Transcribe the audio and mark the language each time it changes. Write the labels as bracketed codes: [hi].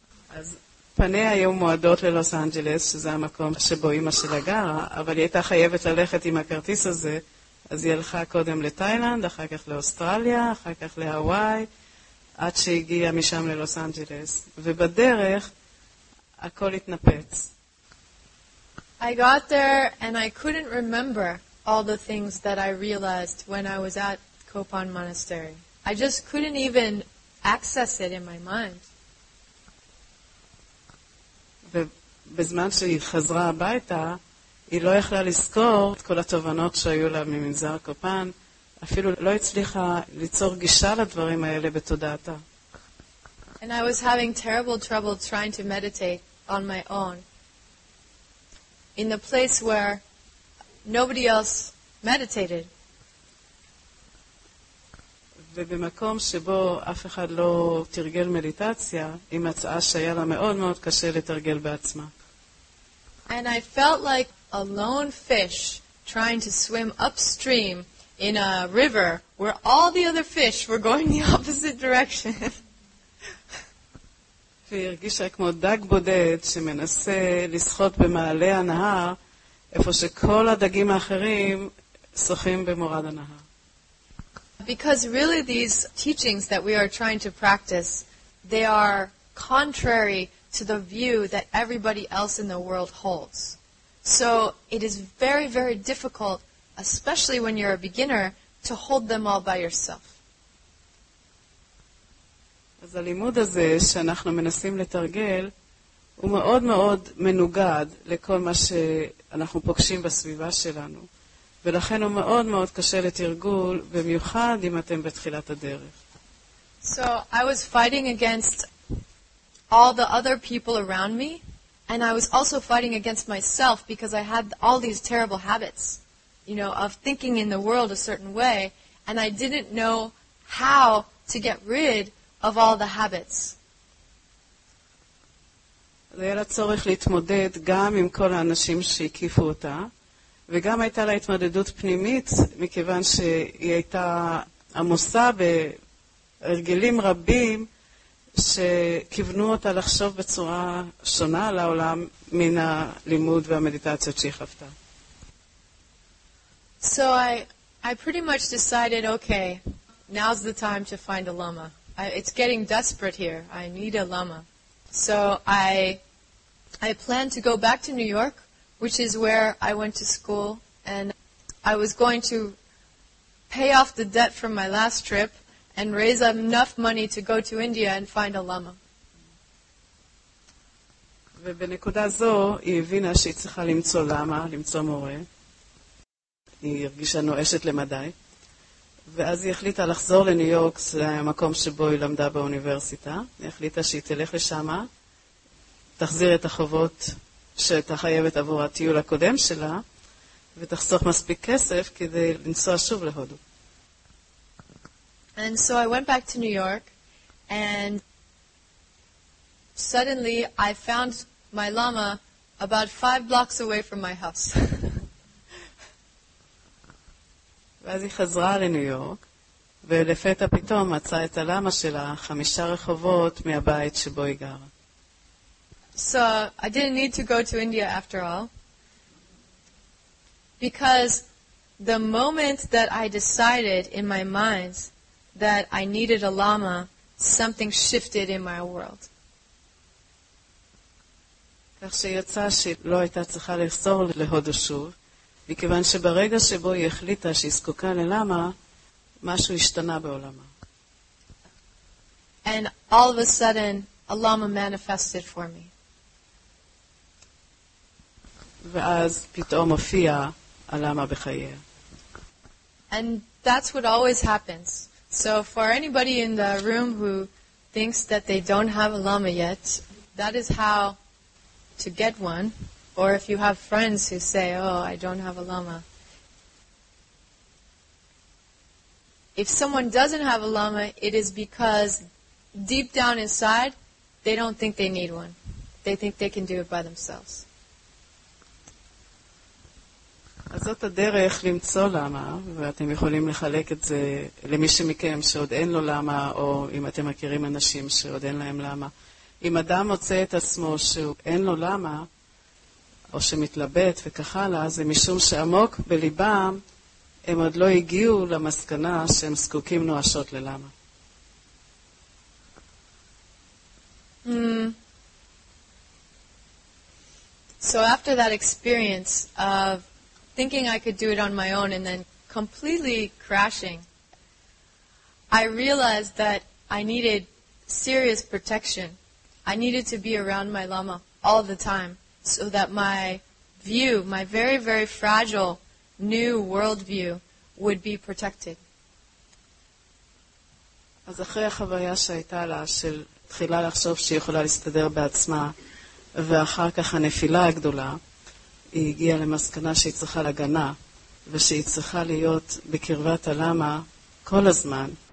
[he] אז פניה היו מועדות ללוס אנג'לס, שזה המקום שבו אמא שלה גרה, אבל היא הייתה חייבת ללכת עם הכרטיס הזה, אז היא הלכה קודם לתאילנד, אחר כך לאוסטרליה, אחר כך להוואי, עד שהגיעה משם ללוס אנג'לס. ובדרך, הכל התנפץ. [en] I got there and I couldn't remember all the things that I realized when I was at Copan Monastery. I just couldn't even access it in my mind. [he] ובזמן שהיא חזרה הביתה, היא לא יכלה לזכור את כל התובנות שהיו לה ממנזר קופן, אפילו לא הצליחה ליצור גישה לדברים האלה בתודעתה. [en] And I was having terrible trouble trying to meditate on my own. In the place where nobody else meditated. [he] ובמקום שבו אף אחד לא תרגל מדיטציה, היא מצאה שהיה לה מאוד מאוד קשה לתרגל בעצמה. [en] And I felt like a lone fish trying to swim upstream in a river where all the other fish were going the opposite direction. [he] והרגישה כמו דג בודד שמנסה לשחות במעלה הנהר, איפה שכל הדגים האחרים שוחים במורד הנהר. [en] Because really these teachings that we are trying to practice, they are contrary to the view that everybody else in the world holds. So it is very, very difficult, especially when you're a beginner, to hold them all by yourself. [he] אז הלימוד הזה שאנחנו מנסים לתרגל, הוא מאוד מאוד מנוגד לכל מה שאנחנו פוגשים בסביבה שלנו. ולכן הוא מאוד מאוד קשה לתרגול, במיוחד אם אתם בתחילת הדרך. [en] So I was fighting against all the other people around me, and I was also fighting against myself because I had all these terrible habits, you know, of thinking in the world a certain way, and I didn't know how to get rid of all the habits. [he] אז היה לה צורך להתמודד גם עם כל האנשים שהקיפו אותה, וגם הייתה לה התמודדות פנימית, מכיוון שהיא הייתה עמוסה בהרגלים רבים שכיוונו אותה לחשוב בצורה שונה לעולם מן הלימוד והמדיטציות שהיא חוותה. [en] So I pretty much decided, okay, now's the time to find a lama. It's getting desperate here. I need a lama. So I plan to go back to New York, which is where I went to school, and I was going to pay off the debt from my last trip and raise enough money to go to India and find a lama. [he] ובנקודה זו היא הבינה שהיא צריכה למצוא למה, למצוא מורה. היא הרגישה נואשת למדי, ואז היא החליטה לחזור לניו יורק, זה המקום שבו היא למדה באוניברסיטה. היא החליטה שהיא תלך לשם, תחזיר את החובות שאתה חייבת עבור הטיול הקודם שלה, ותחסוך מספיק כסף כדי לנסוע שוב להודו. [en] And so I went back to New York, and suddenly I found my lama about 5 blocks away from my house. [he] ואז היא חזרה לניו יורק, ולפתע פתאום מצאה את הלמה שלה 5 רחובות מהבית שבו היא גרה. [en] So I didn't need to go to India after all, because the moment that I decided in my mind that I needed a lama, something shifted in my world. [he] כך שיצא שלא הייתה צריכה לחזור להודו שוב, מכיוון שברגע שבו היא החליטה שהיא זקוקה ללמה, משהו השתנה בעולמה. [en] And all of a sudden, a lama manifested for me. [he] ואז פתאום הופיע הלמה בחייה. [en] And that's what always happens. So for anybody in the room who thinks that they don't have a lama yet, that is how to get one. Or if you have friends who say, oh, I don't have a lama. If someone doesn't have a lama, it is because deep down inside, they don't think they need one. They think they can do it by themselves. [he] אז זאת הדרך למצוא למה, ואתם יכולים לחלק את זה למי שמכם שעוד אין לו למה, או אם אתם מכירים אנשים שעוד אין להם למה. אם אדם מוצא את עצמו שאין לו למה, או שמתלבט וכך הלאה, זה משום שעמוק בליבם הם עוד לא הגיעו למסקנה שהם זקוקים נואשות ללמה. [en] So after that experience of thinking I could do it on my own and then completely crashing, I realized that I needed serious protection. I needed to be around my lama all the time so that my view, my very, very fragile new worldview would be protected. [he] אז אחרי החוויה שהייתה לה של תחילה לחשוב שהיא יכולה להסתדר בעצמה, ואחר כך הנפילה הגדולה, היא הגיעה למסקנה שהיא צריכה להגנה, ושהיא צריכה להיות בקרבת הלמה כל הזמן.